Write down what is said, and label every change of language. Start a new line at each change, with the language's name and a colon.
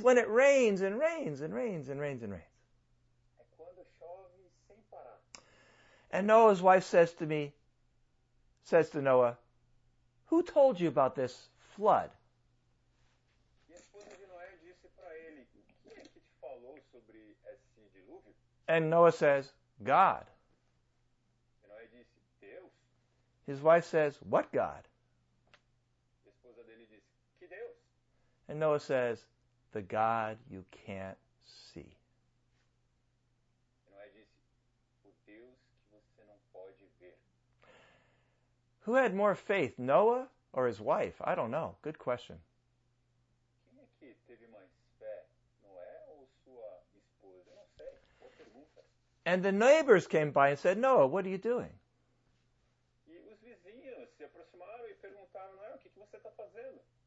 English: when it rains and rains and rains and rains and rains.
Portuguese: É quando chove sem parar.
English: And Noah's wife says to Noah, who told you about this flood?
Portuguese: E a esposa de Noé disse para ele, quem é que te falou sobre esse dilúvio?
English: And Noah says, God.
Portuguese: E Noé disse, Deus.
English: His wife says, what God?
Portuguese: E a esposa dele disse, que Deus?
English: And Noah says, the God you can't see.
Portuguese: Noé disse, o Deus que você não pode ver.
English: Who had more faith, Noah or his wife? I don't know. Good question.
Portuguese: Quem é que teve mais fé, Noé ou sua esposa? Eu não sei. Boa pergunta.
English: And the neighbors came by and said, Noah, what are you doing?
Portuguese: E os vizinhos se aproximaram e perguntaram, Noé, o que você está fazendo?